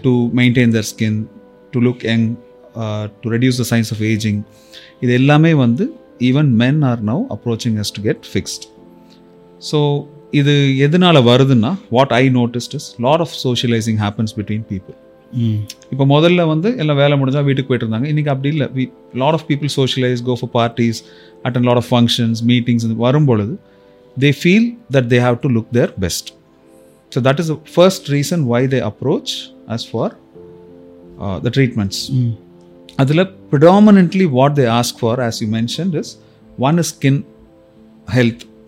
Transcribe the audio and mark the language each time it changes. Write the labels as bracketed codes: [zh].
[en] to maintain their skin, to look young, to reduce the signs of aging. [ta] Idellame vandu [en] even men are now approaching us to get fixed. So [ta] idu edunala varudna, [en] what I noticed is lot of socializing happens between people. [ta] இப்போ முதல்ல வந்து எல்லாம் வேலை முடிஞ்சால் வீட்டுக்கு போயிட்டு இருந்தாங்க. இன்றைக்கி அப்படி இல்லை, [en] Lot of people socialise, go for parties, attend lot of functions, meetings. [ta] வரும்பொழுது [en] they feel that they have to look their best. So that is the first reason why they approach us for the treatments. Adula predominantly what they ask for, as you mentioned, is one is skin health.